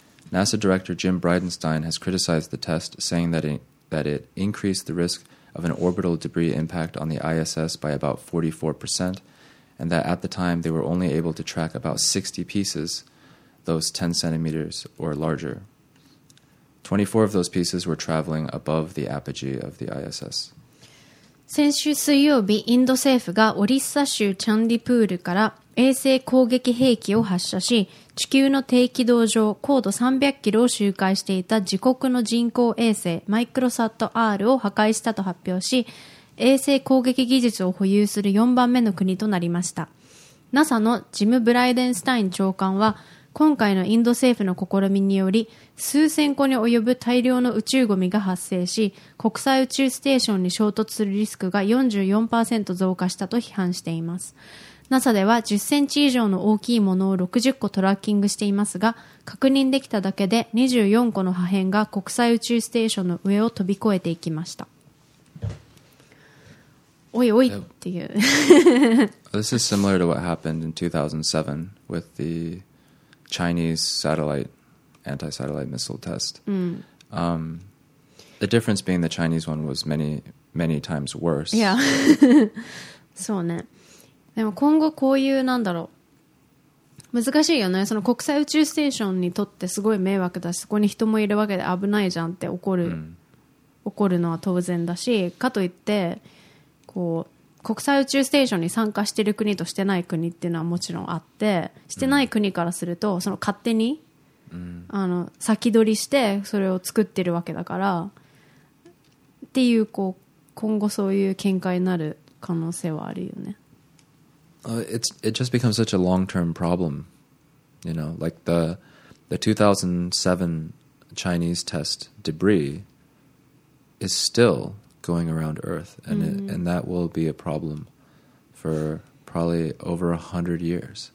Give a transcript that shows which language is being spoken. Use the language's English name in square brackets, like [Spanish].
[English] NASA Director Jim Bridenstine has criticized the test, saying that it increased the risk of an orbital debris impact on the ISS by about 44%, and that at the time they were only able to track about 60 pieces, those 10 centimeters or larger. 24 of those pieces were traveling above the apogee of the ISS. [Japanese] 先週水曜日、インド政府がオリッサ州チャンディプールから衛星攻撃兵器を発射し、地球の低軌道上高度300キロを周回していた自国の人工衛星マイクロサット R を破壊したと発表し、衛星攻撃技術を保有する4番目の国となりました。 NASA のジム・ブライデンスタイン長官は、今回のインド政府の試みにより数千個に及ぶ大量の宇宙ゴミが発生し国際宇宙ステーションに衝突するリスクが 44% 増加したと批判しています。 NASA では10センチ以上の大きいものを60個トラッキングしていますが確認できただけで24個の破片が国際宇宙ステーションの上を飛び越えていきました。おいおいっていう [English] This is similar to what happened in 2007 with theChinese satellite anti-satellite missile test.、Mm. The difference being the Chinese one was many, many times worse. [Japanese] Yeah. そうね。でも今後こういう、なんだろう。難しいよね。その国際宇宙ステーションにとってすごい迷惑だし、そこに人もいるわけで危ないじゃんって起こるのは当然だし、かといって、こう、国際宇宙ステーションに参加してる国としてない国っていうのはもちろんあってしてない国からすると、うん、その勝手に、うん、あの先取りしてそれを作ってるわけだからっていう、こう今後そういう見解になる可能性はあるよね。 [English] It just becomes such a long-term problem. You know, like the 2007 Chinese test debris is still going around Earth, and and that will be a problem for probably over 100 years.